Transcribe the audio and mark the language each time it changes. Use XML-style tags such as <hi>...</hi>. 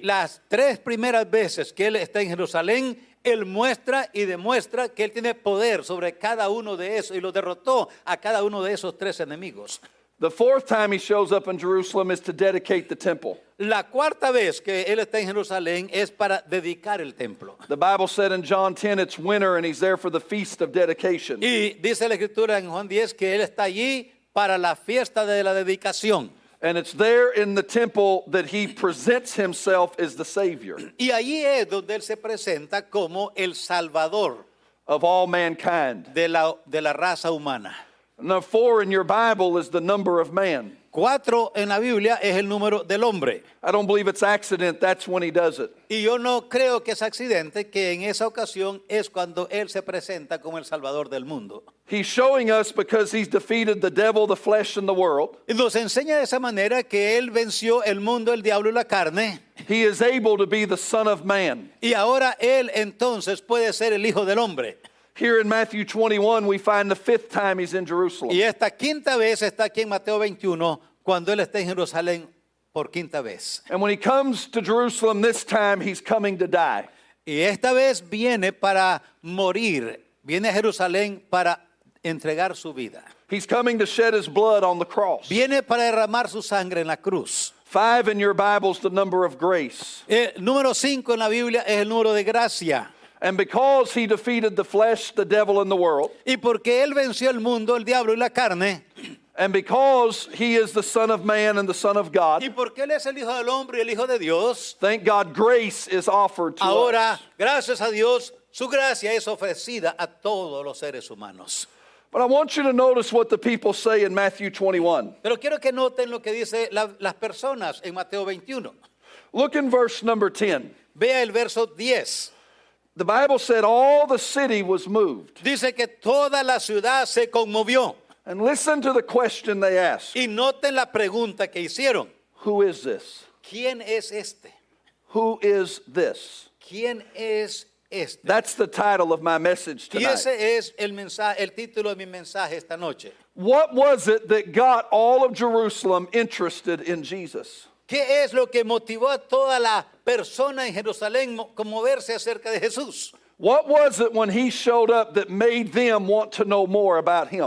<es>Y las tres primeras veces que él está en Jerusalén, él muestra y demuestra que él tiene poder sobre cada uno de esos y lo derrotó a cada uno de esos tres enemigos.</es> <en>The fourth time he shows up in Jerusalem is to dedicate the temple.</en> <es>La cuarta vez que él está en Jerusalén es para dedicar el templo.</es> <en>The Bible said in John 10 it's winter and he's there for the feast of dedication.</en> <es>Y dice la escritura en Juan 10 que él está allí para la fiesta de la dedicación.</es> <en>And it's there in the temple that he presents himself as the Savior.</en> <es>Y allí es donde él se presenta como el Salvador.</es> <en>Of all mankind.</en> <es>De la raza humana.</es> <en>Number four in your Bible is the number of man.</en> <es>Cuatro en la Biblia es el número del hombre.</es> <en>I don't believe it's accident, that's when he does it.</en> <es>Y yo no creo que es accidente que en esa ocasión es cuando él se presenta como el Salvador del mundo.</es> <en>He's showing us because he's defeated the devil, the flesh, and the world.</en> <es>Nos enseña de esa manera que él venció el mundo, el diablo y la carne.</es> <en>He is able to be the Son of Man.</en> <es>Y ahora él entonces puede ser el Hijo del Hombre.</es> <en>Here in Matthew 21, we find the fifth time he's in Jerusalem.</en> <es>Y esta quinta vez está aquí en Mateo 21, cuando él está en Jerusalén por quinta vez.</es> <en>And when he comes to Jerusalem this time, he's coming to die.</en> <es>Y esta vez viene para morir. Viene a Jerusalén para entregar su vida.</es> <en>He's coming to shed his blood on the cross.</en> <es>Viene para derramar su sangre en la cruz.</es> <en>Five in your Bible is the number of grace.</en> <es>El número cinco en la Biblia es el número de gracia.</es> <en>And because he defeated the flesh, the devil, and the world.</en> <es>Y porque él venció el mundo, el diablo y la carne.</es> <en>And because he is the Son of Man and the Son of God.</en> <es>Y porque él es el Hijo del Hombre y el Hijo de Dios.</es> <en>Thank God, grace is offered to</en> <es>ahora,</es> <en>us.</en> <es>Ahora, gracias a Dios, su gracia es ofrecida a todos los seres humanos.</es> <en>But I want you to notice what the people say in Matthew 21.</en> <es>Pero quiero que noten lo que dice las personas en Mateo 21.</es> <en>Look in verse number 10.</en> <es>Vea el verso 10.</es> <en>The Bible said all the city was moved.</en> <es>Dice que toda la ciudad se conmovió.</es> <en>And listen to the question they asked.</en> <es>Y noten la pregunta que hicieron.</es> <en>Who is this?</en> <es>¿Quién es este?</es> <en>Who is this?</en> <es>¿Quién es este?</es> <en>That's the title of my message tonight.</en> <es>Y ese es el título de mi mensaje esta noche.</es> <en>What was it that got all of Jerusalem interested in Jesus?</en> <es>¿Qué es lo que motivó a toda la persona en Jerusalén a moverse acerca de Jesús?</es> <en>What was it when he showed up that made them want to know more about him?</en>